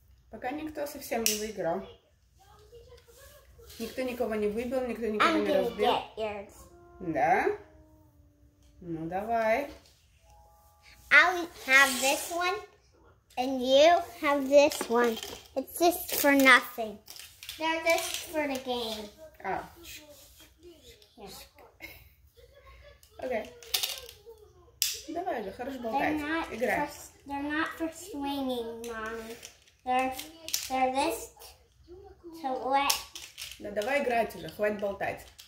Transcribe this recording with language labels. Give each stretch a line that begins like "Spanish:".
Russian: Пока никто совсем не выиграл. Никто никого не выбил, никто никого не разбил. Да? Ну, давай.
English: I'll have this one, and you have this one. It's just for nothing. They're just for the game. Oh.
Russian: Okay. Давай же, хорош болтать. Играй.
English: They're not for swinging, Mommy. They're this to let.
Russian: Да давай играть уже, хватит болтать.